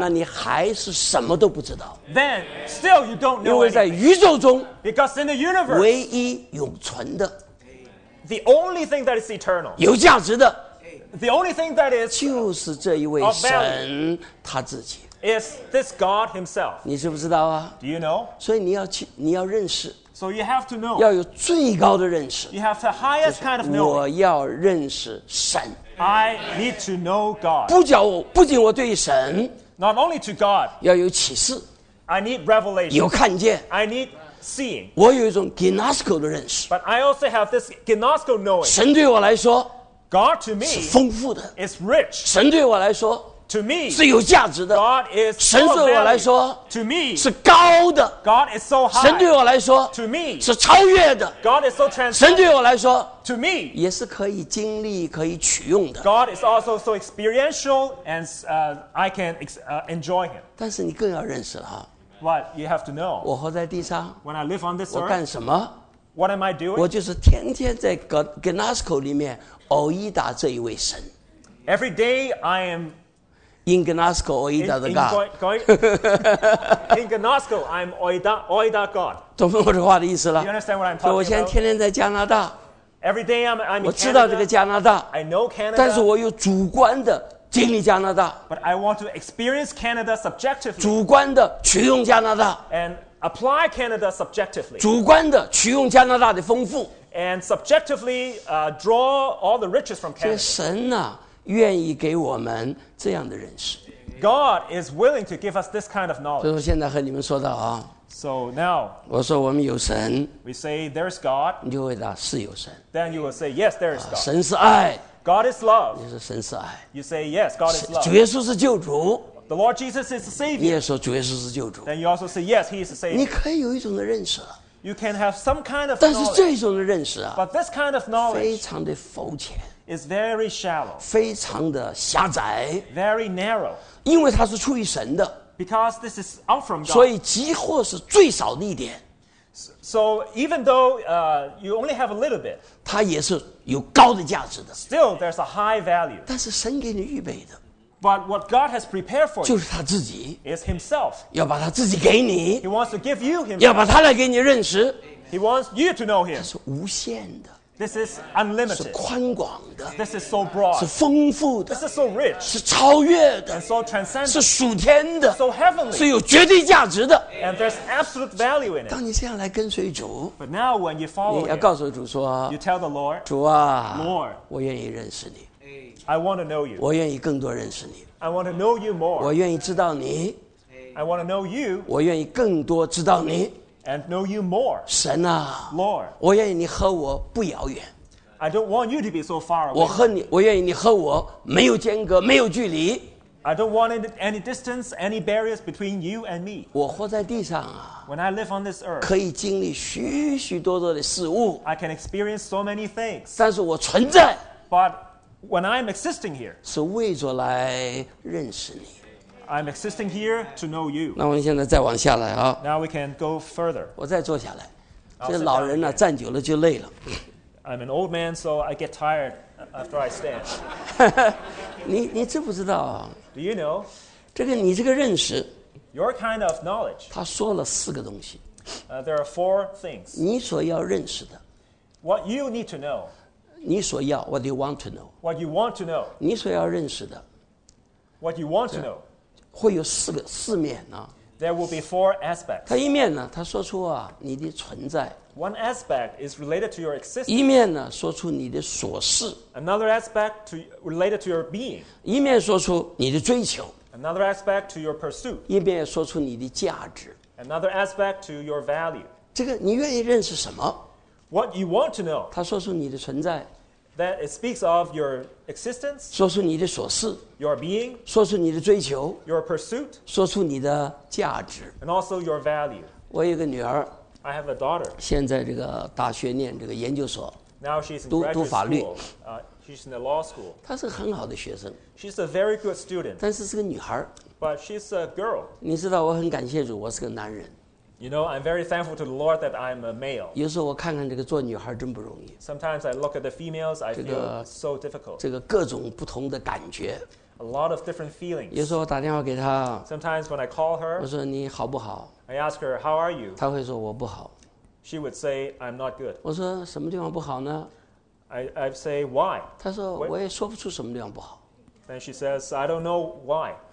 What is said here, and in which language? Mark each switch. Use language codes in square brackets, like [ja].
[zh] 那你还是什么都不知道。 [en] Then still you don't know. [zh] 因为在宇宙中， [en] because in the universe, [zh] 唯一永存的， [en] the only thing that is eternal, [zh] 有价值的， [en] the only thing that is, [zh] 就是这一位神他自己， [en] is this God himself. [zh] 你知不知道啊？ [en] Do you know? [zh] 所以你要认识， [en] so you have to know. [zh] 要有最高的认识， [en] you have the highest kind of knowing. [zh] 我要认识神， [en] I need to know God. [zh] 不仅我对神， [en] not only to God, [zh] 要有启示。 [en] I need revelation. [zh] 有看见。 [en] I need seeing. [zh] 我有一种 gnosko 的认识。 [en] But I also have this gnosko knowing. [zh] 神对我来说， [en] God to me [zh] 是丰富的。 [en] It's rich. [zh] 神对我来说， [en] to me [zh] 是有价值的。 [en] God is [zh] 神对我来说， [en] to me [zh] 是高的。 [en] God is so high. [zh] 神对我来说， [en] to me [zh] 是超越的。 [en] God is so transcendent. [zh] 神对我来说， [en] to me [zh] 也是可以经历、可以取用的。 [en] God is also so experiential and I can enjoy him. [zh] 但是你更要认识了哈。 [en] What you have to know. [zh] 我活在地上。 [en] When I live on this earth. [zh] 我干什么？ [en] What am I doing? [zh] 我就是天天在 Gnosko 里面偶遇到这一位神。 [en] Every day I am in Gnosko, [zh] 偶遇到 [en] the God. In Gnosko, I'm [zh] 偶遇到 [en] God. [zh] 懂我这话的意思了？ [en] You understand what I'm talking about? [zh] 所以我现在天天在加拿大。 [en] Every day I'm in Canada. [zh] 我知道这个加拿大。 [en] I know Canada. [zh] 但是我有主观的。经历加拿大， [en] but I want to experience Canada subjectively. [zh] 主观的取用加拿大， [en] and apply Canada subjectively. [zh] 主观的取用加拿大的丰富， [en] and subjectively, draw all the riches from Canada. [zh] 神呢，愿意给我们这样的认识。 [en] God is willing to give us this kind of knowledge. [zh] 所以我现在和你们说到啊， [en] so now, [zh] 我说我们有神， [en] we say there is God. [zh] 你就回答是有神。 [en] Then you will say yes, there is God. [zh] 神是爱。 [en] God is love. [zh] 你说神是爱。 [en] You say yes, God is love. [zh] 主耶稣是救主。 [en] The Lord Jesus is the Savior. [zh] 你也说主耶稣是救主。 [en] Then you also say yes, He is the Savior. [zh] 你可以有一种的认识。 [en] You can have some kind of knowledge. [zh] 但是这种的认识啊， [en] but this kind of knowledge [zh] 非常的肤浅。 [en] Is very shallow. [zh] 非常的狭窄。 [en] Very narrow. [zh] 因为它是出于神的。 [en] Because this is out from God. [zh] 所以极或是最少的一点。 [en] So even though you only have a little bit, [zh] 它也是有高的价值的。 [en] Still, there's a high value. [zh] 但是神给你预备的， [en] but what God has prepared for you, [zh] 就是他自己， [en] is Himself. [zh] 要把他自己给你， [en] He wants to give you Himself. [zh] 要把他来给你认识， [en] He wants you to know him. [zh] 它是无限的。 [en] This is unlimited. [zh] 是宽广的。 [en] This is so broad. [zh] 是丰富的。 [en] This is so rich. [zh] 是超越的。 [en] And so transcendent. [zh] 是属天的。 [en] So heavenly. [zh] 是有绝对价值的。 [en] And there's absolute value in it. [zh] 当你这样来跟随主。 [en] But now when you follow him. [zh] 你要告诉主说。 [en] You tell the Lord. [zh] 主啊。 [en] Lord. [zh] 我愿意认识你。 [en] I want to know you. [zh] 我愿意更多认识你。 [en] I want to know you more. [zh] 我愿意知道你。 [en] I want to know you. [zh] 我愿意更多知道你。 [en] And know you more. [zh] 神啊, [en] Lord. [zh] 我愿意你和我不遥远。 [en] I don't want you to be so far away. [zh] 我和你, 我愿意你和我没有间隔, 没有距离。 [en] I don't want any distance, any barriers between you and me. [zh] 我活在地上啊, [en] When I live on this earth, [zh] 可以经历许许多多的事物。 [en] I can experience so many things. [zh] 但是我存在。 [en] But when I'm existing here, [zh] 是为着来认识你。 [en] I'm existing here to know you. [zh] 那我们现在再往下来啊。 [en] Now we can go further. [zh] 我再坐下来。这老人呢，站久了就累了。 [en] I'm an old man, so I get tired after I stand. [zh] 你知不知道啊 [en] ？Do you know? [zh] 这个你这个认识。 [en] Your kind of knowledge. [zh] 他说了四个东西。 [en] There are four things. [zh] 你所要认识的。 [en] What you need to know. [zh] 你所要 [en] ，What you want to know. What you want to know. [zh] 你所要认识的。 [en] What you want to know. [zh] 会有四个四面呢、啊。 [en] There will be four aspects. [zh] 他一面呢，他说出啊你的存在。 [en] One aspect is related to your existence. [zh] 一面呢，说出你的所事。 [en] Another aspect to related to your being. [zh] 一面说出你的追求。 [en] Another aspect to your pursuit. [zh] 一面说出你的价值。 [en] Another aspect to your value. [zh] 这个你愿意认识什么 [en] ？What you want to know. [zh] 他说出你的存在。 [en] That it speaks of your existence, [zh] 说出你的所事 [en] your being, [zh] 说出你的追求 [en] your pursuit, [zh] 说出你的价值 [en] and also your value. [zh] 我有个女儿 [en] I have a daughter. [zh] 现在这个大学念这个研究所 [en] Now she's in graduate [zh] 读法律 [en] She's in the law school. [zh] 她是很好的学生 [en] She's a very good student. [zh] 但是是个女孩 [en] But she's a girl. [zh] 你知道我很感谢主我是个男人 [en] You know, I'm very thankful to the Lord that I'm a male. [zh] 有时候我看看这个做女孩真不容易。 [en] Sometimes I look at the females, I feel so difficult. [zh] 这个各种不同的感觉。 [en] A lot of different feelings. [zh] 有时候我打电话给她。 [en] Sometimes when I call her, [zh] 我说你好不好 [en] ？I ask her, how are you? [zh] 她会说我不好。 [en] She would say, I'm not good. [zh] 我说什么地方不好呢 [en] ？I say why? [zh] 她说我也说不出什么地方不好。 [en] Then she says, I don't know why.